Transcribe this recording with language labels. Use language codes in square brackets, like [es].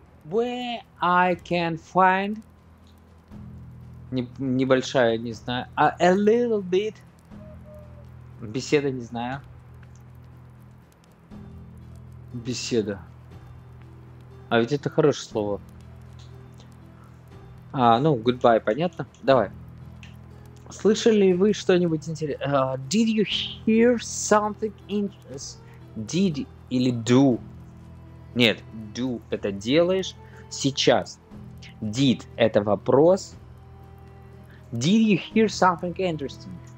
[en] Where I can find [ru] небольшая, не знаю, [en] a little bit [ru] беседа, не знаю. Беседа. А ведь это хорошее слово. А, ну, goodbye, понятно? Давай. Слышали вы что-нибудь интересное? [en] Did you hear something interesting? Did [ru] или [en] do? [ru] Нет, do это делаешь сейчас. Did это вопрос. [en] Did you hear something interesting?